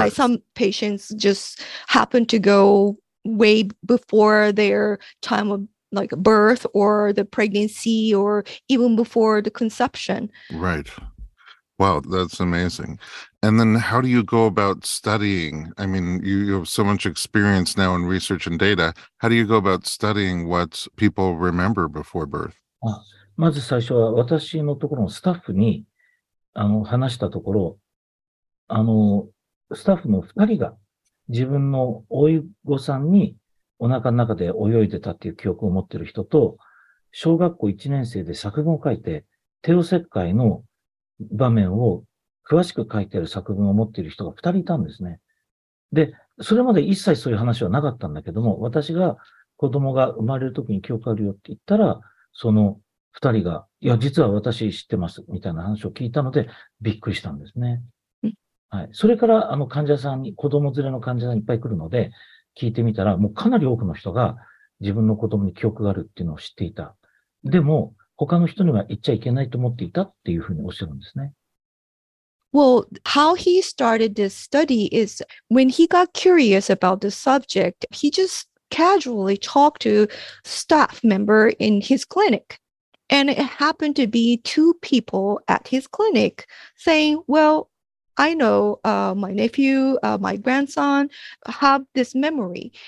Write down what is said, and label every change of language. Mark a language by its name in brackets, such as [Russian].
[English] Right, some patients just happen to go way before their time of like birth or the pregnancy or even before the conception. Right. Wow, that's amazing. And then how do you go about studying? I mean, you have so much experience now in research and data. How do you go about studying what people remember before birth? [Japanese] まず最初は私のところのスタッフに話したところ、スタッフの2人が自分の老い子さんにお腹の中で泳いでたっていう記憶を持ってる人と、小学校1年生で作文を書いて帝王切開の場面を詳しく書いてる作文を持っている人が二人いたんですね。で、それまで一切そういう話はなかったんだけども、私が子供が生まれる時に記憶あるよって言ったら、その二人が、いや、実は私知ってます、みたいな話を聞いたので、びっくりしたんですね。はい。それから、患者さんに、子供連れの患者さんいっぱい来るので、聞いてみたら、もうかなり多くの人が自分の子供に記憶があるっていうのを知っていた。でも、他の人には言っちゃいけないと思っていたっていうふうにおっしゃるんですね。 [English] Well, how he started this study is when he got curious about the subject, he just casually talked to staff member in his clinic. And it happened to be two people at his clinic saying, well, I know my nephew, my grandson have this memory.